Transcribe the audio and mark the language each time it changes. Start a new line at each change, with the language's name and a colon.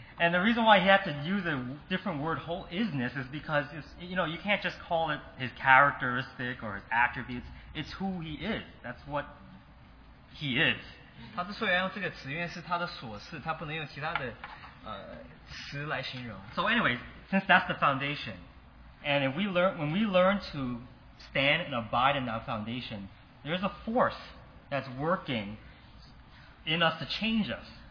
English: And the reason why he had to use a different word, whole isness, is because it's, you know, you can't just call it his characteristic or his attributes. It's who he is. That's what he is.
Chinese: 他之所以要用这个词，因为是他的所事，他不能用其他的词来形容。
English: So anyway, since that's the foundation, and if we learn, when we learn to stand and abide in that foundation, there's a force that's working in us to change us.